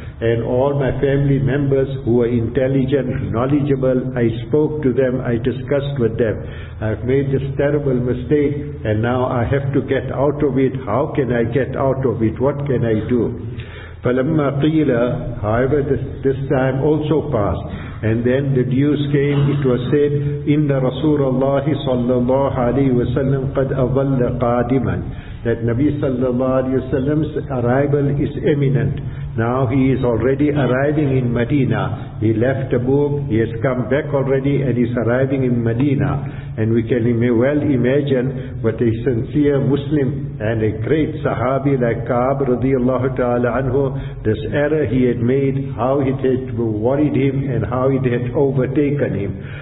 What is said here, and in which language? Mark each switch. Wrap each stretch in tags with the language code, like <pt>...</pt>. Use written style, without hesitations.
<en>And all my family members who were intelligent, knowledgeable, I spoke to them, I discussed with them. I've made this terrible mistake and now I have to get out of it. How can I get out of it? What can I do?</en> <ar>فَلَمَّا قِيلَ,</ar> <en>however this time also passed. And then the news came, it was said,</en> <ar>إِنَّ رَسُولَ اللَّهِ صَلَّى اللَّهُ عَلَيْهِ وَسَلَّمْ قَدْ أَظَلَّ قَادِمًا.</ar> <en>That Nabi sallallahu alayhi wa sallam's arrival is imminent. Now he is already arriving in Medina. He left Tabuk, he has come back already and he's arriving in Medina. And we can well imagine what a sincere Muslim and a great Sahabi like Ka'b radiallahu ta'ala anhu, this error he had made, how it had worried him and how it had overtaken him.</en>